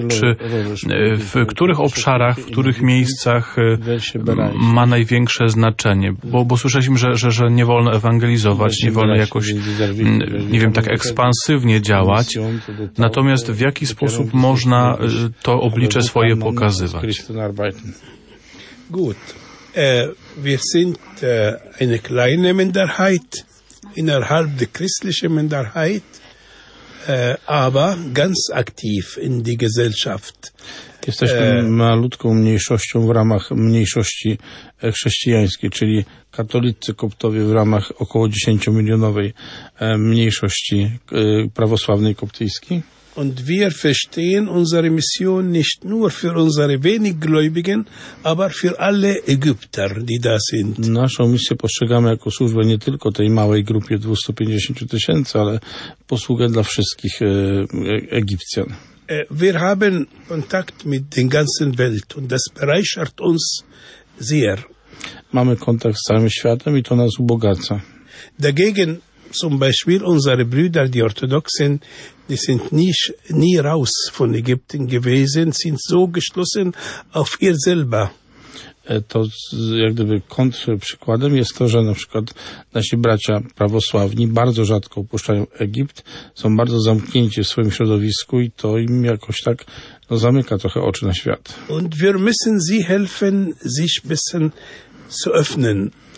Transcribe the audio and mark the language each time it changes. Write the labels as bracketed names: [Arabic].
[Polish] Czy w których obszarach, w których miejscach ma największe znaczenie? Bo słyszeliśmy, że nie wolno ewangelizować, nie wolno jakoś, nie wiem, tak ekspansywnie działać. Natomiast w jaki sposób można to oblicze swoje pokazywać? [German] Gut. Wir sind eine kleine Minderheit innerhalb der christlichen Minderheit, aber ganz aktiv in die Gesellschaft. [Polish] Jesteśmy malutką mniejszością w ramach mniejszości chrześcijańskiej, czyli katolicy koptowie w ramach około 10-milionowej mniejszości prawosławnej koptyjskiej. [German] Und wir verstehen unsere Mission nicht nur für unsere wenig Gläubigen, aber für alle Ägypter, die da sind. [Polish] Naszą misję postrzegamy jako służbę nie tylko tej małej grupie 250 000, ale posługę dla wszystkich Egipcjan. [German] Wir haben Kontakt mit der ganzen Welt und das bereichert uns sehr. [Polish] Mamy kontakt z całym światem i to nas ubogaca. [German] Dagegen zum Beispiel unsere Brüder, die Orthodoxen, die sind nie raus von Ägypten gewesen, sind so geschlossen auf ihr selber. [Polish] to jak gdyby kontrprzykładem jest to, że na przykład nasi bracia prawosławni bardzo rzadko opuszczają Egipt, są bardzo zamknięci w swoim środowisku i to im jakoś tak no, zamyka trochę oczy na świat. [German] Und wir müssen sie helfen, sich bisschen zu öffnen.